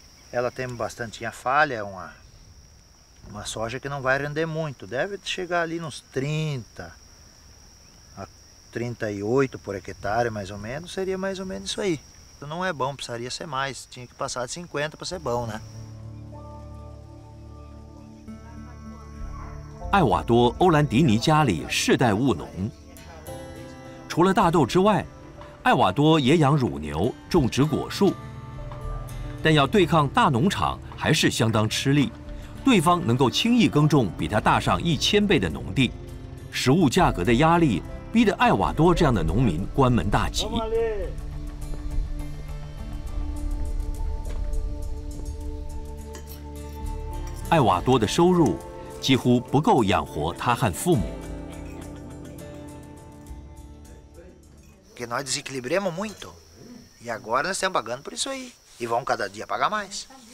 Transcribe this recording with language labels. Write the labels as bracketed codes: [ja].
[pt] Ela tem bastante falha, uma soja que não vai render muito, deve chegar ali nos 30 a 38 por hectare, mais ou menos, seria mais ou menos isso aí. Não é bom, precisaria ser mais, tinha que passar de 50 para ser bom, né? [zh] 艾瓦多·欧兰迪尼家里世代务农，除了大豆之外， 艾瓦多也养乳牛、种植果树，但要对抗大农场还是相当吃力，对方能够轻易耕种比他大上1000倍的农地，食物价格的压力逼得艾瓦多这样的农民关门大吉。艾瓦多的收入几乎不够养活他和父母。 [pt] Nós desequilibramos muito e agora nós estamos pagando por isso aí e vamos cada dia pagar mais.